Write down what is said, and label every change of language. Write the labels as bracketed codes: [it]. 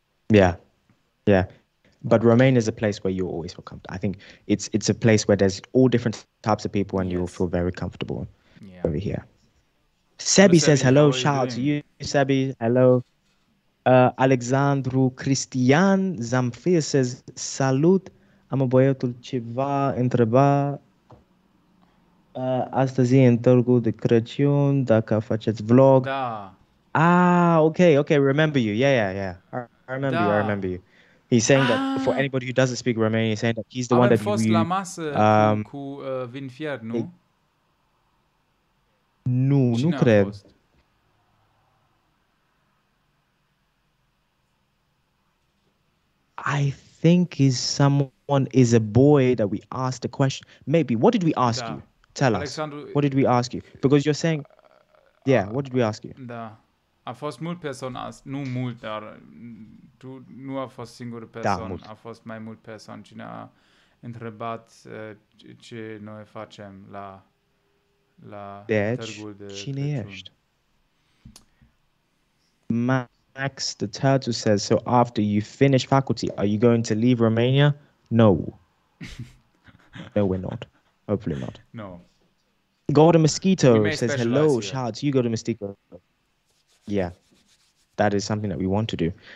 [en] Yeah. But Romania is a place where you always feel comfortable. I think it's a place where there's all different types of people and you'll feel very comfortable over here. Sebi says hello, shout out to you, Sebi. Hello. [ro] Alexandru Cristian Zamfir says, salut, am băiatul ceva întreba astăzi în Târgu de Crăciun dacă faceți vlog. Da. [en] Okay, remember you. Yeah. I remember you. He's saying that for anybody who doesn't speak Romanian, he's saying that he's the one that [ro] fost la masă cu vin fier, nu? Nu cred. Fost? [en] I think is a boy that we asked the question. Maybe. What did we ask you? Tell Alexandru, us. What did we ask you? Because you're saying, what did we ask you? [ro] Da. A fost mult [en] person asked. [ro] Nu mult, dar tu nu a fost singur person. Da, mult. A fost mai mult person cine a întrebat ce noi facem la Târgul de Crăciun. Deci, cine ești? [en] Max the Turtle says, so after you finish faculty, are you going to leave Romania? No. No, we're not. Hopefully not. No. Golden Mosquito says, hello, shout out to you, Golden Mosquito. Yeah, that is something that we want to do.